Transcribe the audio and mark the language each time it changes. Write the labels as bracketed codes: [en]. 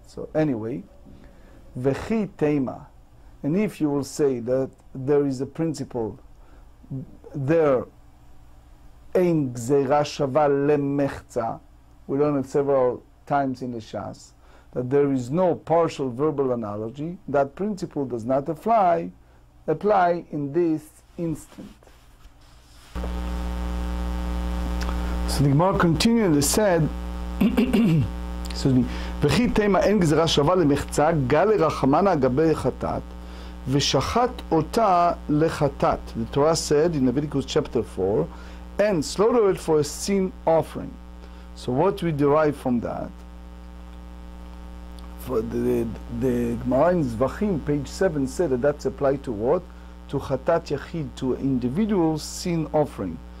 [en] So anyway, v'chi teima, and if you will say that there is a principle, there ein gzera shava lemechza, we learn it several times in the Shas, that there is no partial verbal analogy, that principle does not apply in this instant. So the Gemara continued and said, excuse me, [he] וכי תימה אין גזרה שווה למחצה, גלי רחמנה אגבי חטאת, ושחט אותה לחטאת. [en] The Torah said in Leviticus chapter 4, and slaughter it for a sin offering. So what we derive from that? For the Gemara in Zvachim, page 7, said that that's applied to what? To chatat yachid, to individual sin offering.